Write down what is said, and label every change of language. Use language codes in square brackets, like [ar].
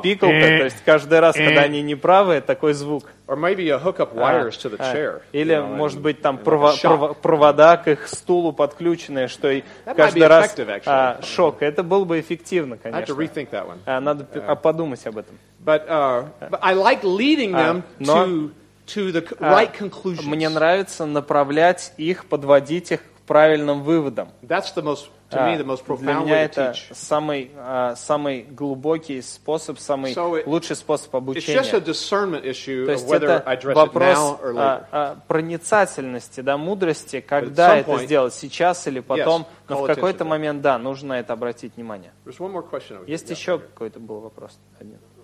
[ru] Пикалка, то есть каждый раз, когда они неправы, такой звук. [en] Or maybe you hook up wires to the chair. [ru] Или [en] you know, [ru] может [en] and, [ru] быть там провода к их стулу подключенные, что и каждый раз шок. Это было бы эффективно, конечно. [en] I have to rethink that one. [ru] Надо подумать об этом. [en] But I like leading them to the right conclusions. [ru] Мне нравится направлять их, подводить их. правильным выводом. [en] That's the most, to me, the most profound way to teach. [ru] Для меня это самый глубокий способ, самый лучший способ обучения. [en] It's just a discernment issue of whether I address it now or later. [ru] Проницательности, да, мудрости, когда это сделать, сейчас или потом. Но в какой-то момент, да, нужно это обратить внимание. Есть еще какой-то был вопрос? Один.